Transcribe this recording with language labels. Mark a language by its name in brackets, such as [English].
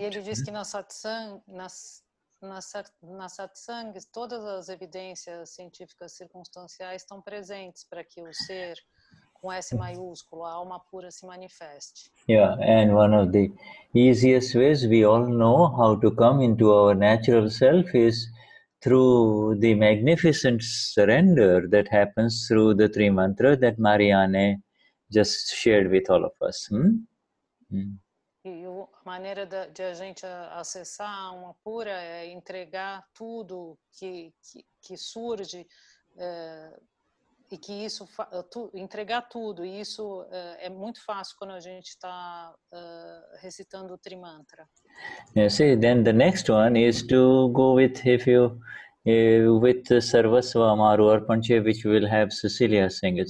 [Portuguese] Ele diz que na satsang, todas as evidências científicas circunstanciais estão presentes para que o ser com S maiúsculo, a alma pura, se manifeste. [English] Yeah, and one of the easiest ways we all know how to come into our natural self is through the magnificent surrender that happens through the three mantras that Marianne just shared with all of us. [Portuguese] A maneira de a gente acessar uma pura é entregar tudo que surge e que isso entregar tudo, e isso é muito fácil quando a gente está recitando o trimantra. [English] Yeah, see, then the next one is to go with with Sarvasva Maru Arpanche, which will have Cecilia sing it.